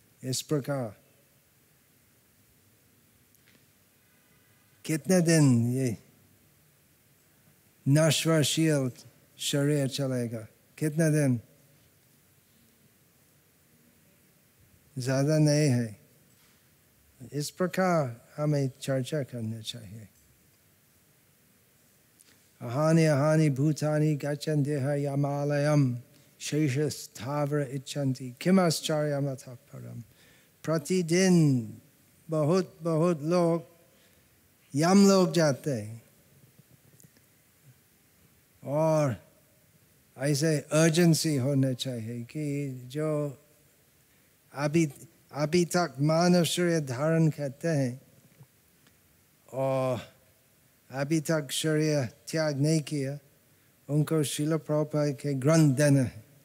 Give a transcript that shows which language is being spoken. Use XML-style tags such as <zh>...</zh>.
<hi>इस प्रकार कितने दिन ये नश्वरशील शरीर चलेगा? कितने दिन? ज्यादा नहीं है. इस प्रकार हमें चर्चा करनी चाहिए.</hi> <sa>अहानि अहानि भूतानि गच्छन् देह यमालयम् शेषस्थावर इच्छन्ति किमाश्चर्यमतः परम्.</sa> <hi>प्रतिदिन बहुत बहुत लोग यम लोग जाते हैं और ऐसे अर्जेंसी होने चाहिए कि जो अभी तक मानव शरीर धारण करते हैं और अभी तक शरीर त्याग नहीं किया उनको श्रील प्रभुपाद के ग्रंथ देना है.</hi>